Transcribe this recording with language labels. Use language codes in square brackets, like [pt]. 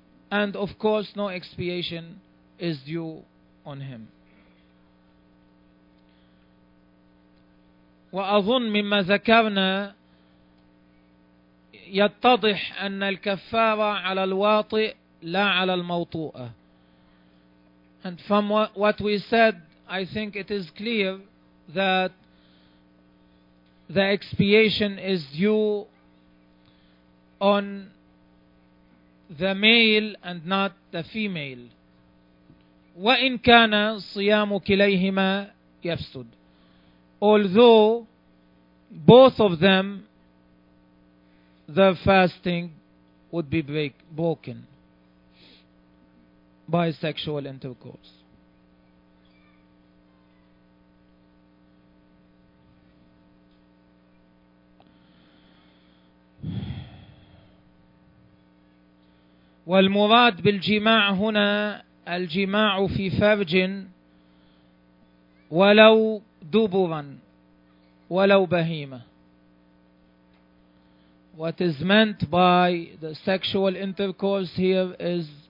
[en] And of course, no expiation is due on him. [ar] وأظن مما ذكرنا يتضح أن الكفارة على الواطئ لا على الموطوء. [en] And from what we said, I think it is clear that the expiation is due on the male and not the female. [ar] وإن كان صيام كليهما يفسد. [en] Although both of them, their fasting would be broken by sexual intercourse. [ar] والمراد بالجماع هنا الجماع في فرج ولو دبرا ولو بهيمة. [en] What is meant by the sexual intercourse here is